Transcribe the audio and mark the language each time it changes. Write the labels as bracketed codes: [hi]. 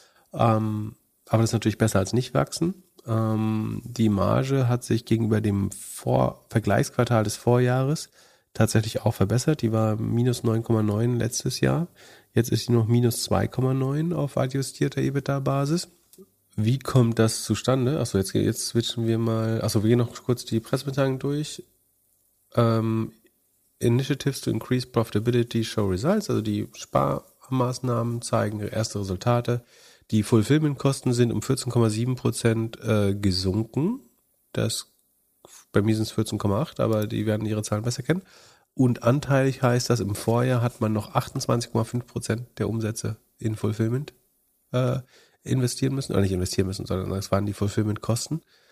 [de] Aber das ist natürlich besser als nicht wachsen. Die Marge hat sich gegenüber dem Vergleichsquartal des Vorjahres tatsächlich auch verbessert. Die war minus 9,9 letztes Jahr. Jetzt ist sie noch minus 2,9 auf adjustierter EBITDA-Basis. Wie kommt das zustande? Achso, jetzt switchen wir mal. Achso, wir gehen noch kurz die Pressemitteilung durch. [en] Initiatives to increase profitability show results. [de] Also die Sparmaßnahmen zeigen erste Resultate. Die Fulfillment-Kosten sind um 14,7% gesunken. Das bei mir sind es 14,8, aber die werden ihre Zahlen besser kennen. Und anteilig heißt das, im Vorjahr hat man noch 28,5% der Umsätze in Fulfillment investieren müssen, oder nicht investieren müssen, sondern das waren die Fulfillment-Kosten.